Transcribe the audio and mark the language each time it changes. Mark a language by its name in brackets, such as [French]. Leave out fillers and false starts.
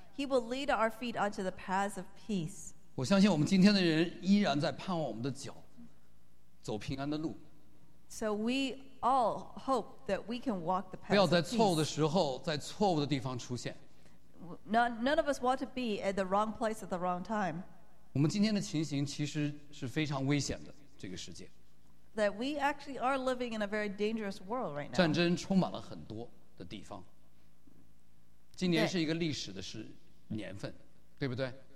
[English] He will lead our feet onto the paths of peace. [Chinese] 我相信我们今天的人依然在盼望我们的脚。走平安的路。 [English] So we all hope that we can walk the path of peace. [Chinese] 不要在错误的时候，在错误的地方出现。 [English] None of us want to be at the wrong place at the wrong time. [Chinese] 我们今天的情形其实是非常危险的，这个世界。 [English] That we actually are living in a very dangerous world right now. [Chinese] 战争充满了很多的地方。今年是一个历史的年份，对不对？